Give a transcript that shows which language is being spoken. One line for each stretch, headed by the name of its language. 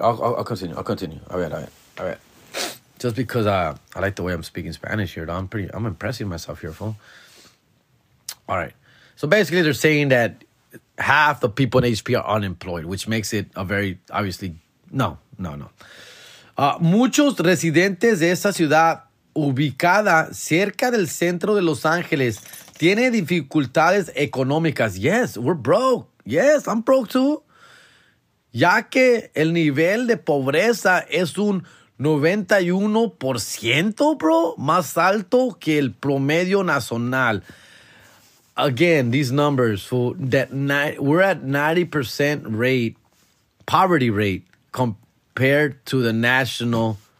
English: I'll continue. All right. Just because I like the way I'm speaking Spanish here, though. I'm impressing myself here, fool. All right. So basically, they're saying that half the people in HP are unemployed, which makes it a very, obviously, no.
Spanish: Muchos residentes de esa ciudad ubicada cerca del centro de Los Ángeles tiene dificultades económicas.
English: Yes, we're broke. Yes, I'm broke too.
Spanish: Ya que el nivel de pobreza es un 91%, bro, más alto que el promedio nacional.
English: Again, these numbers, fool, we're at 90% rate, poverty rate, compared to the national.